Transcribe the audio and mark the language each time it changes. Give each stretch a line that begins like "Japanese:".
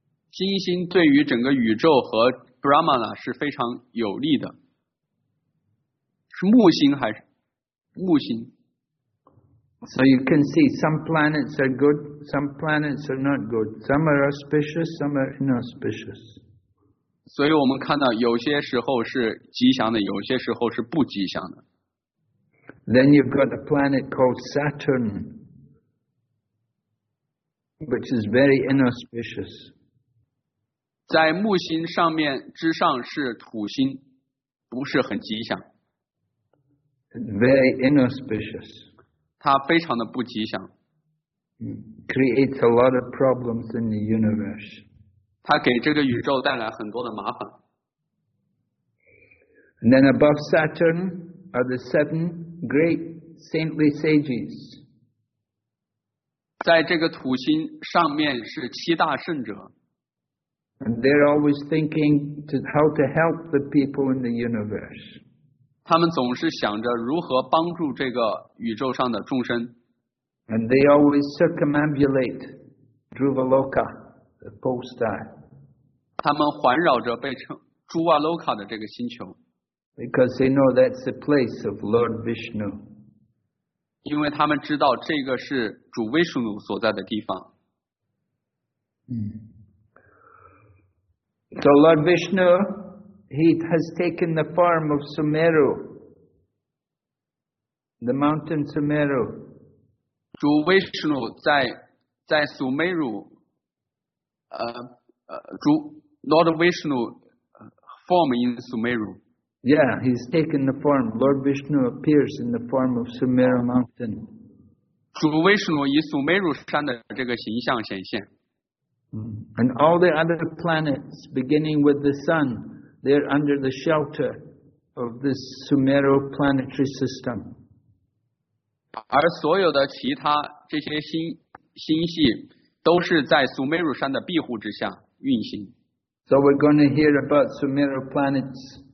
Chinese: 金星对于整个宇宙和 Brahmana 是非常有利的。是木星还是木星
English: ？So you can see some planets are good, some planets are not good. Some are auspicious, some are inauspicious.
Chinese: 所以我们看到有些时候是吉祥的，有些时候是不吉祥的。
English: Then you've got a planet called Saturn, which is very inauspicious.
Chinese: 在木星上面之上是土星，不是很吉祥。
English: Very inauspicious.
Chinese: 它非常的不吉祥。
English: Creates a lot of problems in the universe.
Chinese: 它给这个宇宙带来很多的麻烦。
English: And then above Saturn are the seven great saintly sages.
Chinese: 在这个土星上面是七大圣者。
English: And they're always thinking to how to help the people in the universe.
Chinese: 他们总是想着如何帮助这个宇宙上的众生。
English: And they always circumambulate Dhruva Loka, the pole star.
Chinese: 他们环绕着被称朱瓦洛卡的这个星球。
English: Because they know that's the place of Lord Vishnu.
Chinese: 因为他们知道这个是主威士努所在的地方。
English: So Lord Vishnu, he has taken the form of Sumeru, the mountain Sumeru.
Chinese: 主威士努在苏美乳，主
English: Lord Vishnu form in Sumeru. Yeah, he's taken the form. Lord Vishnu appears in the form of Sumeru Mountain.
Chinese: 主威士努以苏美乳山的这个形象显现。
English: And all the other planets, beginning with the sun, they're under the shelter of this Sumeru planetary system.
Chinese: 而所有的其他这些星系都是在苏美乳山的庇护之下运行。
English: So we're going to hear about Sumeru planets.